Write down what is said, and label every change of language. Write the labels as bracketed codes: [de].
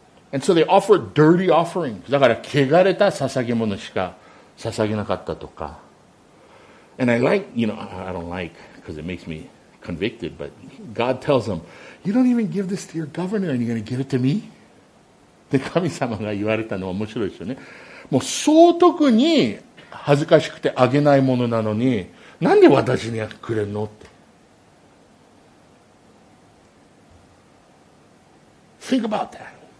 [en] And so they offered dirty offerings. [ja] だから汚れた捧げ物しか捧げなかったとか。 [en] And I like, you know, I don't like, because it makes me convicted, but God tells them, you don't even give this to your governor, and you're going to give it to me? [ja] で、神様が言われたのは面白いですよね。もう総督に恥ずかしくてあげないものなのに、なんで私にくれるのって。 [en] Think about that.